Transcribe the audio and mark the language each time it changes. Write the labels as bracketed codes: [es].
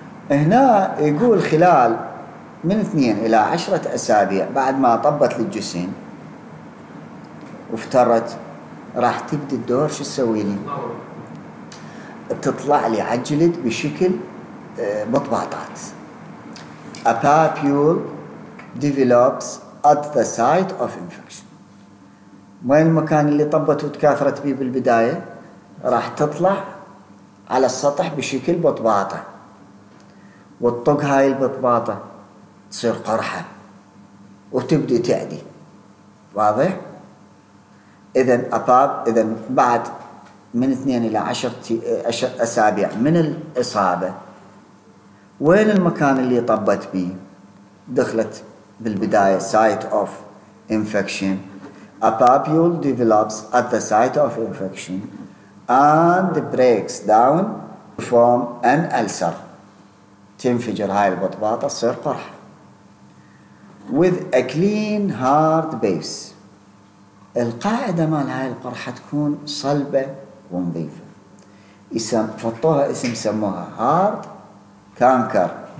[ar] هنا يقول خلال من 2 إلى 10 أسابيع بعد ما طبت للجسم وافترت، راح تبدي الدور شو تسوي لي؟ تطلع لي على الجلد بشكل بطباطات. [en] A papule develops at the site of infection. [ar] وين المكان اللي طبت وتكاثرت به بالبداية؟ راح تطلع على السطح بشكل بطباطة. وتطق هاي البطباطة تصير قرحة وتبدي تعدي. واضح؟ إذن أباب، إذن بعد من 2 إلى 10 أسابيع من الإصابة، وين المكان اللي طبت به؟ دخلت بالبداية [en] site of infection. A papule develops at the site of infection and breaks down to form an ulcer. [ar] تنفجر هاي البطباطة تصير قرح. [en] With a clean hard base. [ar] القاعدة مال هاي القرحة تكون صلبة ونظيفة. فطوها اسم سموها hard canker.